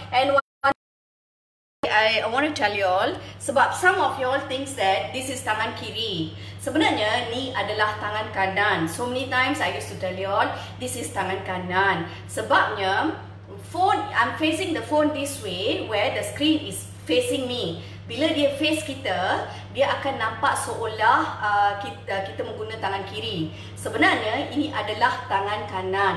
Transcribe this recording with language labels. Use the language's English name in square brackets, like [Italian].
[English] And I want to tell you all, [Malay] sebab [English] some of you all thinks that this is [Malay] tangan kiri. Sebenarnya ni adalah tangan kanan. [English] So many times I used to tell you all, this is [Malay] tangan kanan. Sebabnya [English] phone, I'm facing the phone this way where the screen is facing me. [Malay] Bila dia face kita, dia akan nampak seolah kita menggunakan tangan kiri. Sebenarnya ini adalah tangan kanan.